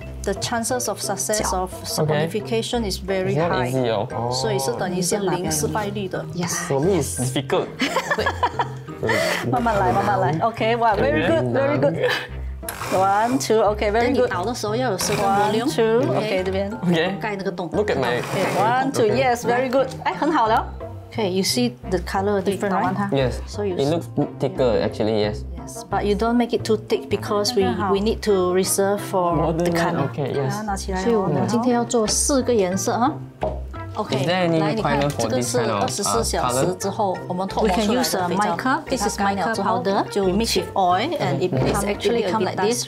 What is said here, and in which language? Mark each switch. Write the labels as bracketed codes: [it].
[en] The chances of success of solidification is very high. Not easy, oh. [zh] 所以是等于是零失败率的。 [en] Yes. For me, it's difficult. [zh] 慢慢来。 [en] Okay, wow, very good. One, two, okay, very good. [zh] 你倒的时候要有适当的 [en] volume. One, two, okay, [zh] 这边. [en] Okay. [zh] 盖那个洞. [en] Look at my. Okay, one, two, yes, very good. [zh] 哎，很好了. [en] Okay, you see the color different, right? Yes. So you. It looks thicker, actually, yes. Yes, but you don't make it too thick because we need to reserve for the color. Okay, yes. [zh] 拿起来。所以我们今天要做四个颜色, huh? Okay, 来，你看，这个是24小时之后，我们脱模出来的。 [en] We can use a mica. This is mica powder. We mix with oil, and it actually become like this.